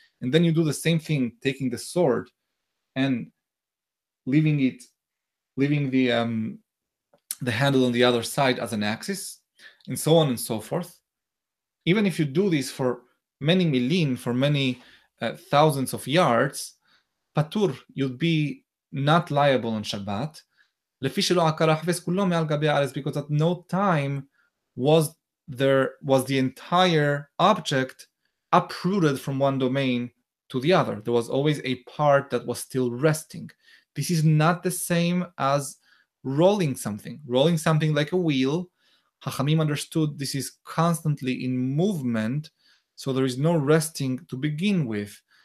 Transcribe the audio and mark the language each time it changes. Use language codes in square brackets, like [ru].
[en] And then you do the same thing, taking the sword and leaving the handle on the other side as an axis, and so on and so forth. Even if you do this for many milin, for many thousands of yards, patur, you'd be not liable on Shabbat. [he] לפי שלא עקר החפץ כולו מעל גבי הארץ, [en] because at no time was the entire object uprooted from one domain to the other. There was always a part that was still resting. This is not the same as rolling something. Rolling something like a wheel, Hachamim understood this is constantly in movement, so there is no resting to begin with.